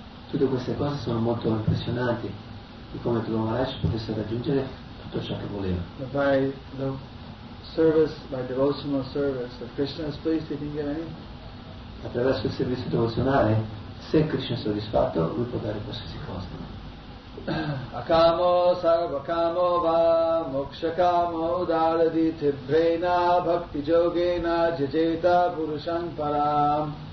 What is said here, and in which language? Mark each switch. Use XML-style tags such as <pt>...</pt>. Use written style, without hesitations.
<it>Tutte queste cose sono molto impressionanti, di come Dhruva Maharaj potesse raggiungere tutto ciò che voleva.</it> <en>But by the service, by devotional service of Krishna's pleased, he can get anything.</en> <it>Attraverso il servizio devozionale, se Krishna è soddisfatto, lui può dare qualsiasi cosa.</it> <sa>Akamo sarva kamo va moksha kamo daladi tibhrena bhakti yogena jajeta purushan param.</sa>